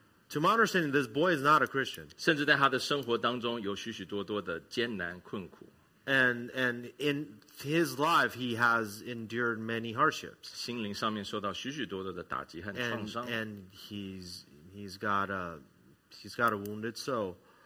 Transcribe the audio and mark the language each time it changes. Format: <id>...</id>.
<en>To my understanding, this boy is not a Christian.</en> <zh>甚至在他的生活当中有许许多多的艰难困苦。</zh> <en>And in his life, he has endured many hardships.</en> <zh>心灵上面受到许许多多的打击和创伤。</zh> <en>And he's got a wounded soul.</en>